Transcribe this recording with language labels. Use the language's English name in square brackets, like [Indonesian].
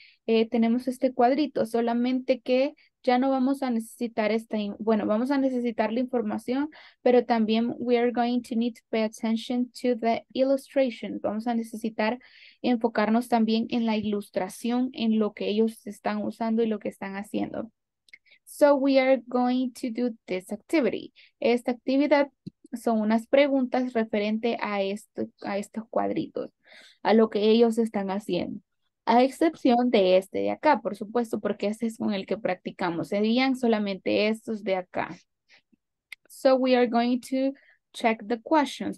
[Spanish] Tenemos este cuadrito, solamente que ya no vamos a necesitar vamos a necesitar la información, pero también [English] we are going to need to pay attention to the illustration. [Spanish] Vamos a necesitar enfocarnos también en la ilustración, en lo que ellos están usando y lo que están haciendo. [English] So we are going to do this activity. [Spanish] Esta actividad son unas preguntas referente a estos cuadritos, a lo que ellos están haciendo. A excepción de este de acá, por supuesto, porque este es con el que practicamos. Serían solamente estos de acá. [English] So we are going to check the questions.